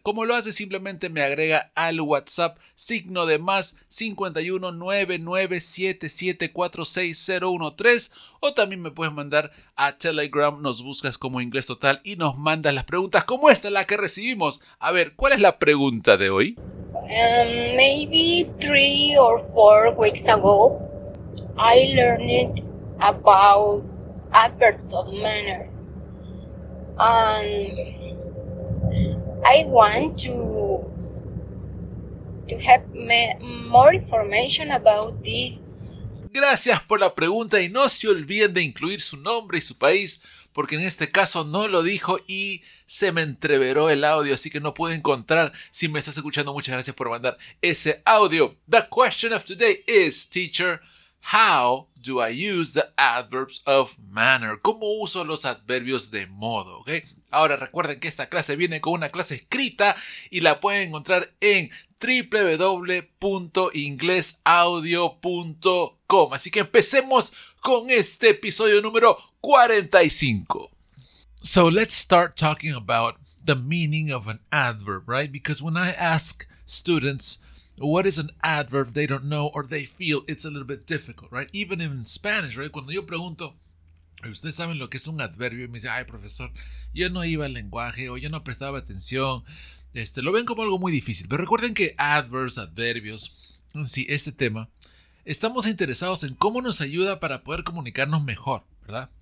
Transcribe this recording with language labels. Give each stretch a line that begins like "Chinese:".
Spanish: Como lo hace, simplemente me agrega al WhatsApp, signo de más 51 99 77 46 013, o también me puedes mandar a Telegram, nos buscas como Inglés Total y nos mandas las preguntas como esta, la que recibimos. A ver, ¿cuál es la pregunta de hoy?
English: Maybe 3 or 4 weeks ago, I learned about adverbs of manner. I want to have more information about this.
Spanish: Gracias por la pregunta, y no se olviden de incluir su nombre y su país, porque en este caso no lo dijo y se me entreveró el audio, así que no pude encontrar. Si me estás escuchando, muchas gracias por mandar ese audio.
English: The question of today is, teacher, how do I use the adverbs of manner?
Spanish: ¿Cómo uso los adverbios de modo? ¿Okay? Ahora recuerden que esta clase viene con una clase escrita y la pueden encontrar en www.inglesaudio.com. Así que empecemos con este episodio número 45.
English: So let's start talking about the meaning of an adverb, right? Because when I ask students, what is an adverb? They don't know, or they feel it's a little bit difficult, right? Even in Spanish, right?
Spanish: Cuando yo pregunto, ¿ustedes saben lo que es un adverbio? Y me dice, ay, profesor, yo no iba al lenguaje, o yo no prestaba atención. Lo ven como algo muy difícil. Pero recuerden que adverbs, adverbios, sí, este tema, estamos interesados en cómo nos ayuda para poder comunicarnos mejor, ¿verdad?